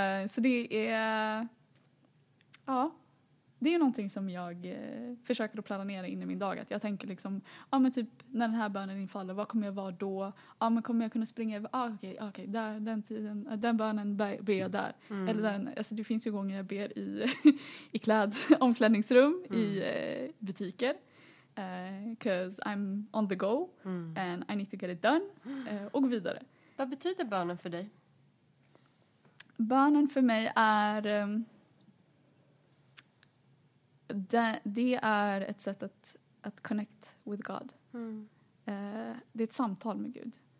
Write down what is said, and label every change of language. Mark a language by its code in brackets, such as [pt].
[sv] Så det är, det är ju någonting som jag försöker att planera in i min dag. Att jag tänker liksom, typ när den här bönen infaller, vad kommer jag vara då? Men kommer jag kunna springa över? Okej, där, den tiden, den bönen ber jag där. Mm. Eller den, alltså det finns ju gånger jag ber i omklädningsrum, i butiker. [en] Because I'm on the go and I need to get it done. [sv] Och vidare. Vad betyder bönen för dig? Bönen för mig är... Det är ett sätt att [en] connect with God. [sv] Det är ett samtal med Gud.